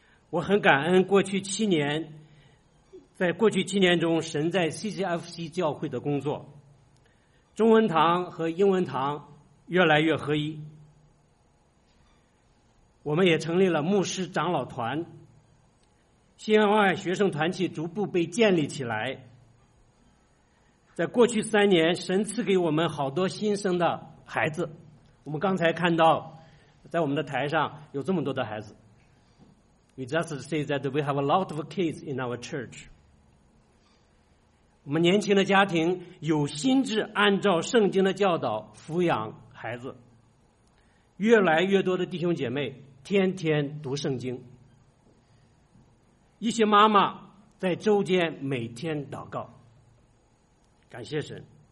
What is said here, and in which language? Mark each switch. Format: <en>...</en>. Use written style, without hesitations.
<zh>我很感恩过去七年，在过去七年中神在 CCFC 教会的工作，中文堂和英文堂越来越合一，我们也成立了牧师长老团，新安外学生团契逐步被建立起来。在过去三年，神赐给我们好多新生的孩子，我们刚才看到在我们的台上有这么多的孩子。</zh> <en>We just say that we have a lot of kids in our church.</en> <zh>我们年轻的家庭有心智按照圣经的教导抚养孩子，越来越多的弟兄姐妹天天读圣经，一些妈妈在周间每天祷告，感谢神。</zh>